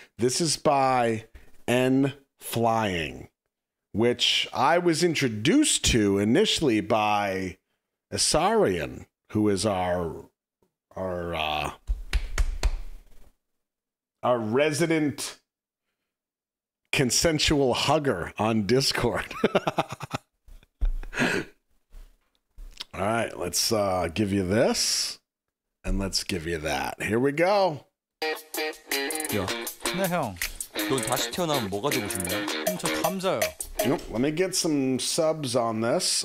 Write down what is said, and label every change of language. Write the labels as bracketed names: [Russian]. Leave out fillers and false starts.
[English] This is by N.Flying, which I was introduced to initially by Asarian, who is our resident consensual hugger on Discord. All right, let's give you this and let's give you that. Here we go. [Korean] 야, 근데 형, 넌 다시 태어나면 뭐가 되고 싶냐? 형, 저 감자요. [English] Yep, let me get some subs on this.